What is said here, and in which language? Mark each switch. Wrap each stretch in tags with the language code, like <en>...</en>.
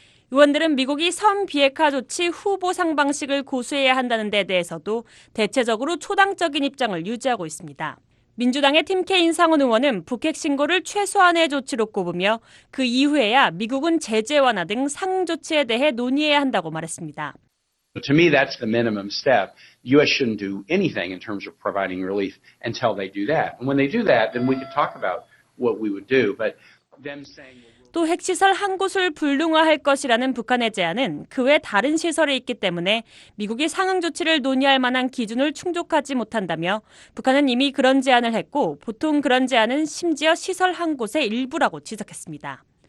<ko>의원들은 미국이 선 비핵화 조치 후 보상 방식을 고수해야 한다는 데 대해서도 대체적으로 초당적인 입장을 유지하고 있습니다. 민주당의 팀 케인 상원 의원은 북핵 신고를 최소한의 조치로 꼽으며 그 이후에야 미국은 제재 완화 등 상응 조치에 대해 논의해야 한다고 말했습니다.</ko> <en>To me, that's the minimum step. U.S. shouldn't do anything in terms of providing relief until they do that. And when they do that, then we could talk about what we would do. But them saying</en> <ko>또 핵시설 한 곳을 불능화할 것이라는 북한의 제안은 그 외 다른 시설에 있기 때문에 미국이 상응 조치를 논의할 만한 기준을 충족하지 못한다며 북한은 이미 그런 제안을 했고 보통 그런 제안은 심지어 시설 한 곳의 일부라고 지적했습니다.</ko>